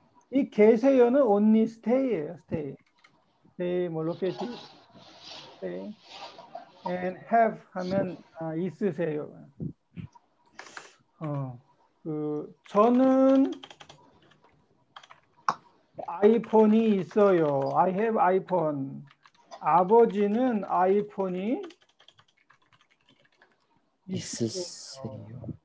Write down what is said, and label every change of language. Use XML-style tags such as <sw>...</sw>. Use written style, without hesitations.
<ko>이 계세요는</ko> <en>only stay</en> <ko>예요.</ko> <en>Stay, stay 뭐 location, stay and have 하면 아,</en> <ko>있으세요. 어, 그 저는 아이폰이 있어요.</ko> <en>I have iPhone.</en> <ko>아버지는 아이폰이 있으세요.</ko>